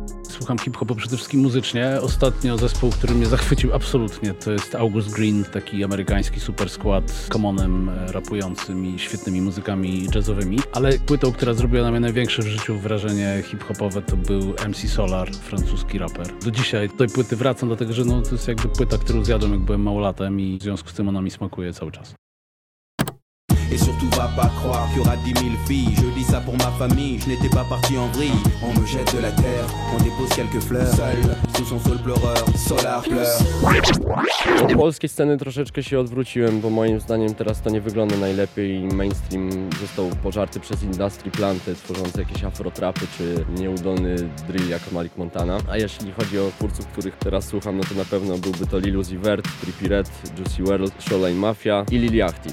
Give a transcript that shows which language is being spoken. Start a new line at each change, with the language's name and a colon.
Polish: Słucham hip-hopu przede wszystkim muzycznie. Ostatnio zespół, który mnie zachwycił absolutnie, to jest August Green, taki amerykański super skład z Commonem rapującym i świetnymi muzykami jazzowymi. Ale płytą, która zrobiła na mnie największe w życiu wrażenie hip-hopowe, to był MC Solar, francuski raper. Do dzisiaj do tej płyty wracam, dlatego że no, to jest jakby płyta, którą zjadłem, jak byłem małolatem i w związku z tym ona mi smakuje cały czas.
French: Et surtout va pas croire qu'il y aura 10 000 filles. Je dis ça pour ma famille, je n'étais pas parti en vrille. On me jette de la terre, on dépose quelques fleurs. Seul, sous son sol pleureur, Solar pleure.
Polish: Do polskiej sceny troszeczkę się odwróciłem, bo moim zdaniem teraz to nie wygląda najlepiej. Mainstream został pożarty przez industry planty tworzące jakieś afrotrapy czy nieudolny drill jak Malik Montana. A jeśli chodzi o twórców, których teraz słucham, no to na pewno byłby to Lil Uzi Vert, Trippy Red, Juicy WRLD, Shoreline Mafia i Lil Yachty.